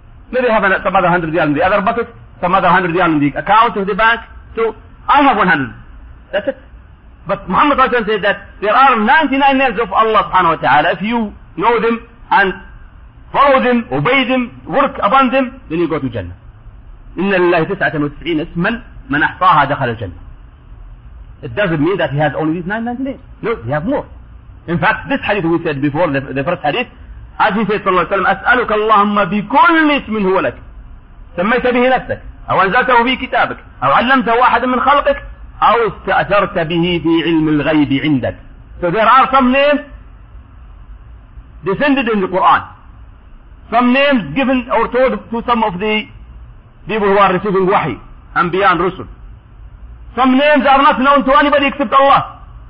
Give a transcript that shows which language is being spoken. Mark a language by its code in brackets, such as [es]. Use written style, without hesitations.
[en] Maybe I have some other 100 riyals in the other bucket, some other 100 riyals in the account of the bank. So I have 100. That's it. But Muhammad said that there are 99 names of Allah subhanahu wa ta'ala. If you know them and follow them, obey them, work upon them, then you go to Jannah. [ar] إن الله تسعة وتسعين اسما من أحصاها دخل الجنة. [en] It doesn't mean that he has only these 999. No, he has more. In fact, this hadith we said before, the first hadith, as he said صلى الله عليه وسلم, [ar] أسألك اللهم بكل اسم هو لك. سميت به نفسك أو أنزلته في كتابك أو علمته واحدا من خلقك أو استأثرت به في علم الغيب عندك. [en] So there are some names descended in the Quran. Some names given or told to some of the people who are receiving wahi, anbiya and rusul. Some names are not known to anybody except Allah.